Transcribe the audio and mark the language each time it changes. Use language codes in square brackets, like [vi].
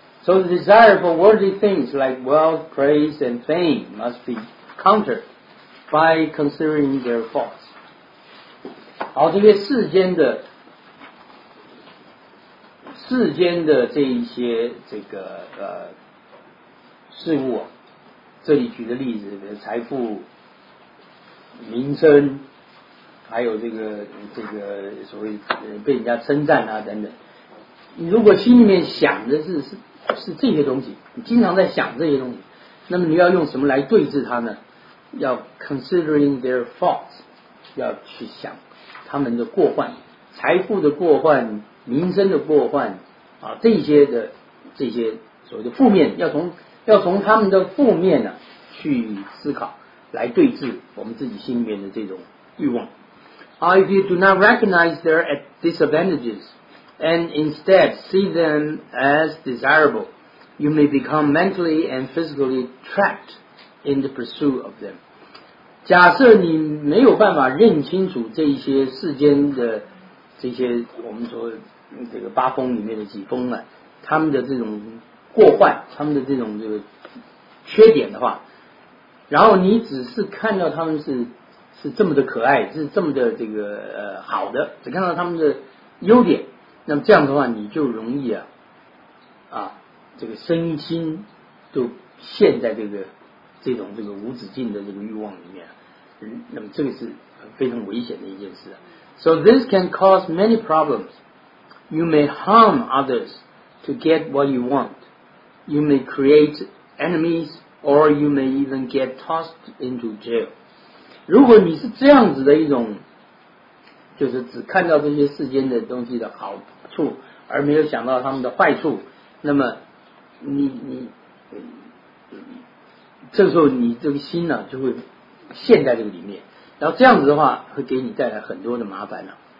[en] So the desire for worldly things like wealth, praise and fame must be countered by considering their faults。 [zh] 好，这些世间的这一些这个事物啊，这里举的例子，比如财富、名声，还有这个所谓被人家称赞啊等等，你如果心里面想的是这些东西，你经常在想这些东西，那么你要用什么来对治它呢？要 [en] considering their faults， [zh] 要去想他们的过患，财富的过患，名声的过患啊，这些所谓的负面，要从他们的负面呢、啊、去思考，来对治我们自己心里面的这种欲望。 [en] If you do not recognize their disadvantages and instead see them as desirable, you may become mentally and physically trapped in the pursuit of them. [zh] 假设你没有办法认清楚这些世间的这些我们说这个八风里面的几风啊，他们的这种过患，他们的这种这个缺点的话，然后你只是看到他们是这么的可爱，是这么的这个好的，只看到他们的优点，那么这样的话你就容易啊这个身心就陷在这种无止境的这个欲望里面，那么这个是非常危险的一件事。 [en] So this can cause many problems. You may harm others to get what you want. You may create enemies or you may even get tossed into jail. [zh] 如果你是这样子的一种，就是只看到这些世间的东西的好处而没有想到他们的坏处，那么你这个时候你这个心呢、啊、就会陷在这个里面，然后这样子的话会给你带来很多的麻烦了、啊。